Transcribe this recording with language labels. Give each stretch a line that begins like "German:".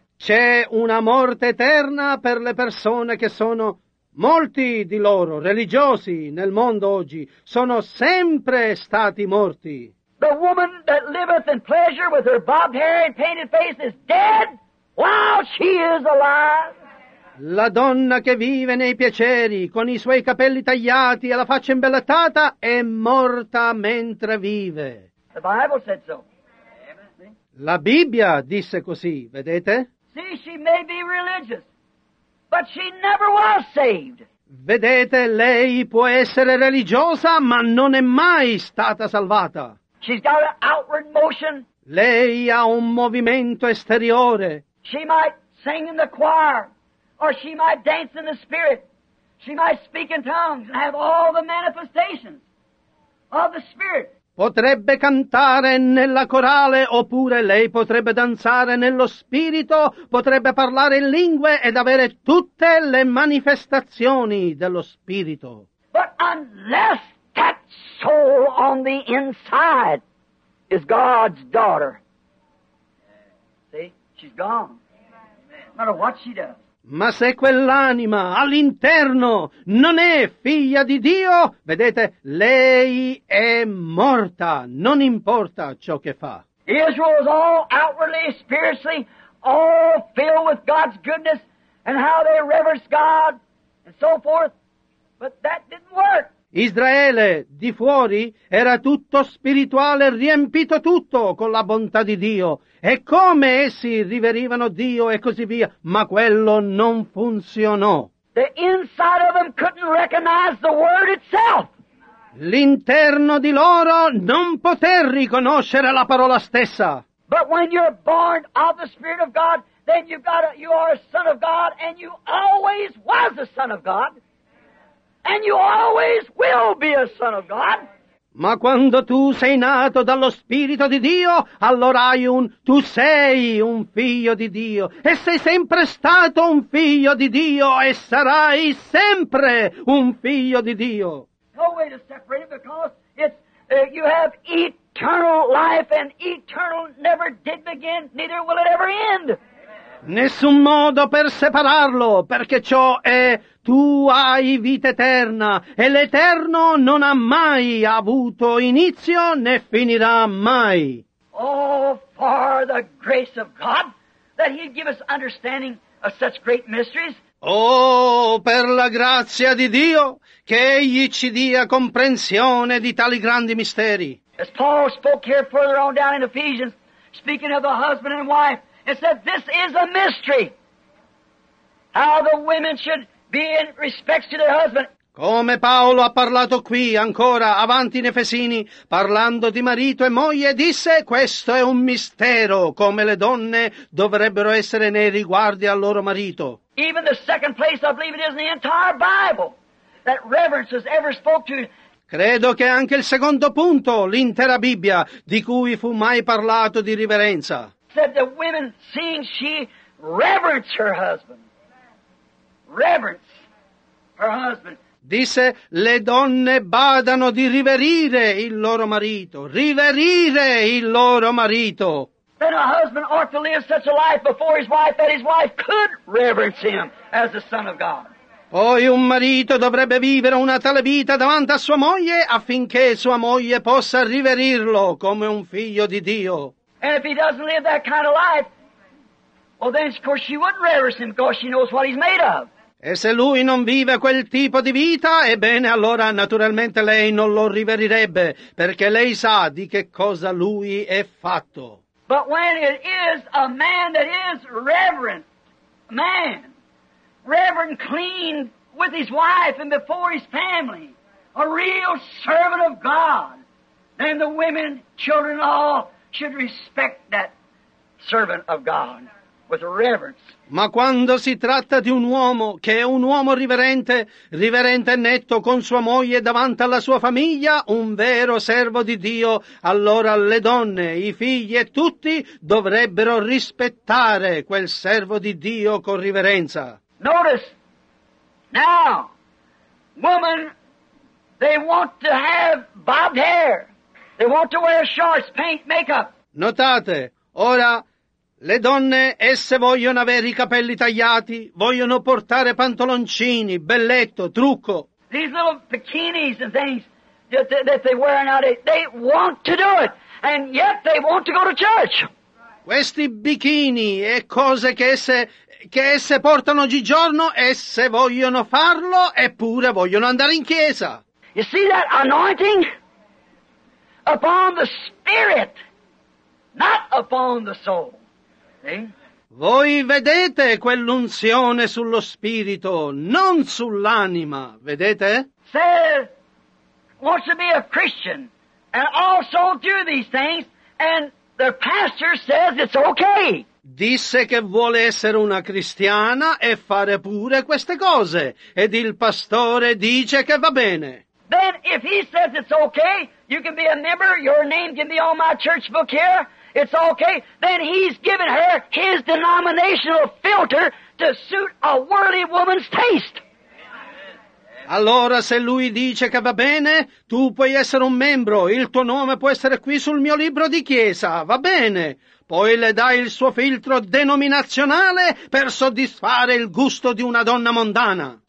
Italian: C'è una morte eterna per le persone che sono, molti di loro, religiosi nel mondo oggi, sono sempre stati morti.
English: The woman that liveth in pleasure with her bobbed hair and painted face is dead. While she is alive.
Italian: La donna che vive nei piaceri, con i suoi capelli tagliati e la faccia imbellettata, è morta mentre vive.
English: The Bible said so.
Italian: La Bibbia disse così, vedete?
English: See, she may be religious, but she never was saved.
Italian: Vedete, lei può essere religiosa, ma non è mai stata salvata.
English: She's got an outward motion.
Italian: Lei ha un movimento esteriore.
English: She might sing in the choir, or she might dance in the spirit. She might speak in tongues and have all the manifestations of the spirit.
Italian: Potrebbe cantare nella corale, oppure lei potrebbe danzare nello spirito, potrebbe parlare in lingue ed avere tutte le manifestazioni dello spirito.
English: But unless that soul on the inside is God's daughter, she's gone. No matter what she does.
Italian: Ma se quell'anima all'interno non è figlia di Dio, vedete, lei è morta. Non importa ciò che fa.
English: Israel is all outwardly, spiritually, all filled with God's goodness and how they reverence God and so forth. But that didn't work.
Italian: Israele, di fuori, era tutto spirituale, riempito tutto con la bontà di Dio. E come essi riverivano Dio e così via, ma quello non funzionò.
English: The inside of them couldn't recognize the word itself.
Italian: L'interno di loro non poté riconoscere la parola stessa.
English: But when you're born of the Spirit of God, then you are a son of God, and you always was a son of God. And you always will be a son of God.
Italian: Ma quando tu sei nato dallo Spirito di Dio, allora tu sei un figlio di Dio. E sei sempre stato un figlio di Dio e sarai sempre un figlio di Dio.
English: No way to separate it because you have eternal life and eternal never did begin, neither will it ever end.
Italian: Nessun modo per separarlo, perché ciò è, tu hai vita eterna, e l'Eterno non ha mai avuto inizio, né finirà mai.
English: Oh, for the grace of God, that He'd give us understanding of such great mysteries.
Italian: Oh, per la grazia di Dio, che egli ci dia comprensione di tali grandi misteri.
English: As Paul spoke here further on down in Ephesians, speaking of the husband and wife, and said, this is a mystery, how the women should be in respect to their husband.
Italian: Come Paolo ha parlato qui, ancora avanti in Efesini, parlando di marito e moglie, disse, questo è un mistero, come le donne dovrebbero essere nei riguardi al loro marito.
English: Even the second place I believe it is in the entire Bible that reverence has ever spoke to.
Italian: Credo che anche il secondo punto, l'intera Bibbia, di cui fu mai parlato di riverenza.
English: Said the woman, seeing she reverence her husband. Reverence her husband.
Italian: Disse, le donne badano di riverire il loro marito. Riverire il loro marito.
English: Then a husband ought to live such a life before his wife that his wife could reverence him as the Son of God.
Italian: Poi un marito dovrebbe vivere una tale vita davanti a sua moglie affinché sua moglie possa riverirlo come un figlio di Dio.
English: And if he doesn't live that kind of life, well then of course she wouldn't reverence him because she knows what he's made of.
Italian: E se lui non vive quel tipo di vita, ebbene allora naturalmente lei non lo riverirebbe, perché lei sa di che cosa lui è fatto.
English: But when it is a man that is reverent, man, reverent clean with his wife and before his family, a real servant of God, then the women, children, all should respect that servant of God. With reverence.
Italian: Ma quando si tratta di un uomo che è un uomo riverente, riverente e netto con sua moglie davanti alla sua famiglia, un vero servo di Dio, allora le donne, i figli e tutti dovrebbero rispettare quel servo di Dio con riverenza.
English: Notice, now, women, they want to have bobbed hair. They want to wear shorts, paint, makeup.
Italian: Notate, ora, le donne, esse vogliono avere i capelli tagliati, vogliono portare pantaloncini, belletto, trucco.
English: These little bikinis and things that they wear nowadays, they want to do it, and yet they want to go to church.
Italian: Questi bikini e cose che esse portano oggigiorno, esse vogliono farlo, eppure vogliono andare in chiesa.
English: You see that anointing? Upon the spirit, not upon the soul.
Italian: Voi vedete quell'unzione sullo spirito, non sull'anima, vedete?
English: Say, wants to be a Christian, and also do these things, and the pastor says it's okay.
Italian: Disse che vuole essere una cristiana e fare pure queste cose, ed il pastore dice che va bene.
English: Then if he says it's okay, you can be a member, your name can be on my church book here. It's okay, then he's given her his denominational filter to suit a worldly woman's taste.
Italian: Allora se lui dice che va bene, tu puoi essere un membro, il tuo nome può essere qui sul mio libro di chiesa, va bene. Poi le dai il suo filtro denominazionale per soddisfare il gusto di una donna mondana.